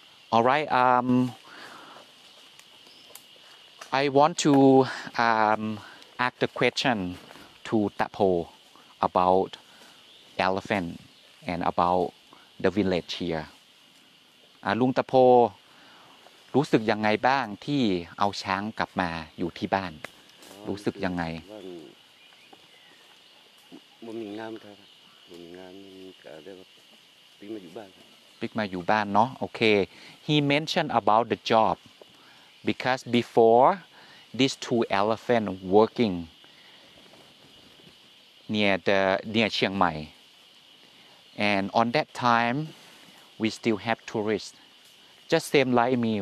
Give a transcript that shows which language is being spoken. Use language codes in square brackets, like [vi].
[en] All right, I want to ask the question to Tapo about elephant and about the village here. [th] ลุงตะโพรู้สึกยังไงบ้างที่เอาช้างกลับมาอยู่ที่บ้านรู้สึกยังไง [nod] บ่มีงานครับบ่มีงานก็ได้ปิ๊กมาอยู่บ้าน ปิ๊กมาอยู่บ้านเนาะโอเค [en] he mentioned about the job because before these two elephant workingnear Chiang Mai, and on that time we still have tourists, just same like me.